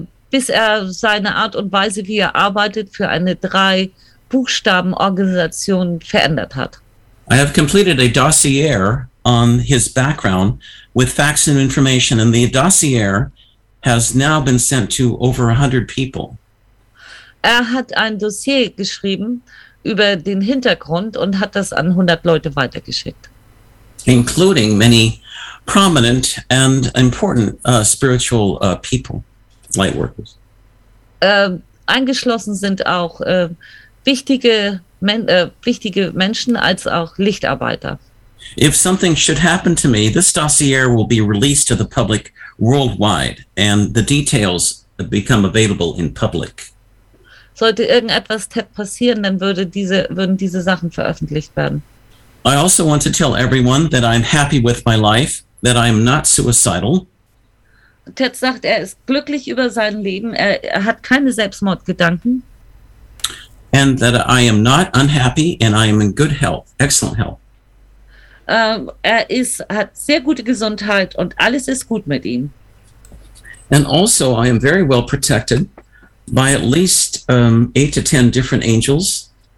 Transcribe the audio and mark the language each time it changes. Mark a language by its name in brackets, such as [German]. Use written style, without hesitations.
[German] Bis er seine Art und Weise, wie er arbeitet, für eine Drei-Buchstaben-Organisation verändert hat. [English] I have completed a dossier on his background with facts and information, and the dossier has now been sent to over 100 people. [German] Er hat ein Dossier geschrieben über den Hintergrund und hat das an 100 Leute weitergeschickt. [English] Including many prominent and important spiritual people, light workers. [German] Eingeschlossen sind auch wichtige Menschen als auch Lichtarbeiter. [English] If something should happen to me, this dossier will be released to the public worldwide, and the details become available in public. [German] Sollte irgendetwas Ted passieren, dann würden diese Sachen veröffentlicht werden. [English] I also want to tell everyone that I'm happy with my life, that I'm not suicidal. [German] Ted sagt, er ist glücklich über sein Leben, er hat keine Selbstmordgedanken. [English] And that I am not unhappy and I am in good health, excellent health. [German] Hat sehr gute Gesundheit und alles ist gut mit ihm. [English] And also I am very well protected by at least 8 to 10 different angels.